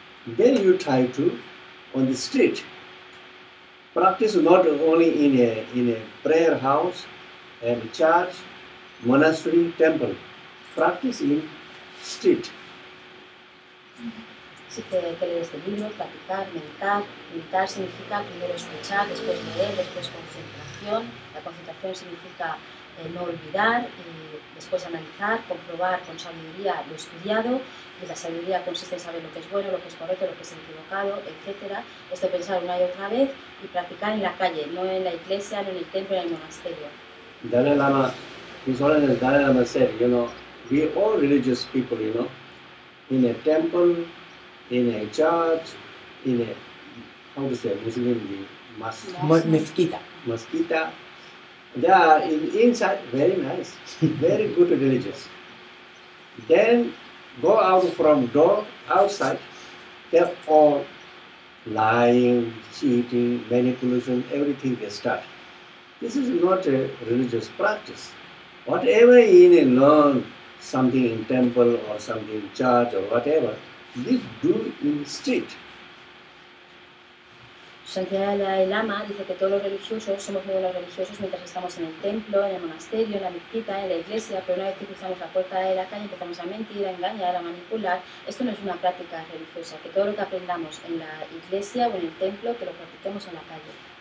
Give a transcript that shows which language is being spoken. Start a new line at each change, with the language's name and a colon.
English: Then you try to, on the street, practice not only in a prayer house and church, monastery, temple. Practice in street.
Spanish: Si puede leer este libro, practicar, meditar. Meditar significa primero escuchar, después leer, después concentración. La concentración significa no olvidar, y después analizar, comprobar con sabiduría lo estudiado. Y la sabiduría consiste en saber lo que es bueno, lo que es correcto, lo que es equivocado, etc. Esto pensar una y otra vez y practicar en la calle, no en la iglesia, no en el templo, ni en el monasterio.
English: Dalai Lama, His Holiness Dalai Lama said, you know, we all religious people, you know, in a temple, in a church, in a, how to say, Muslim, the
Spanish: mezquita. Mezquita.
English: They are inside, very nice, very good religious. Then go out from door, outside, they are all lying, cheating, manipulation, everything they start. This is not a religious practice. Whatever in a learn, something in temple or something in church or whatever, this do in street.
Spanish: Santidad de Dalai Lama dice que todos los religiosos somos muy buenos religiosos mientras estamos en el templo, en el monasterio, en la mezquita, en la iglesia, pero una vez que cruzamos la puerta de la calle empezamos a mentir, a engañar, a manipular. Esto no es una práctica religiosa, que todo lo que aprendamos en la iglesia o en el templo, que lo practiquemos en la calle.